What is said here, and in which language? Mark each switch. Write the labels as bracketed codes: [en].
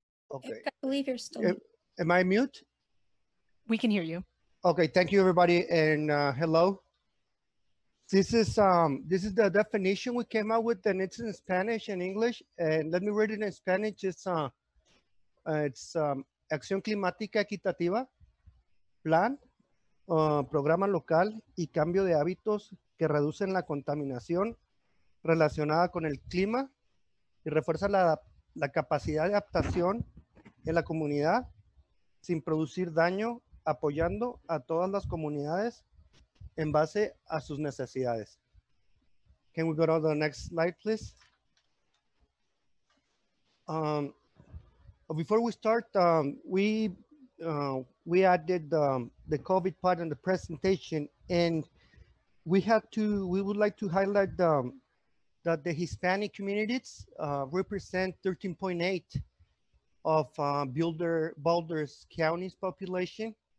[en] Okay. I believe you're still. Am I mute? We can hear you. Okay. Thank you, everybody, and hello. This is the definition we came out with, and it's in Spanish and English. And let me read it in Spanish. It's [es] acción climática equitativa, plan, programa local y cambio de hábitos que reducen la contaminación relacionada con el clima y refuerza la capacidad de adaptación en la comunidad sin producir daño, apoyando a todas las comunidades en base a sus necesidades. [en] Can we go to the next slide, please? Before we start, we added the COVID part in the presentation, and we would like to highlight that the Hispanic communities represent 13.8 of Boulder's county's population.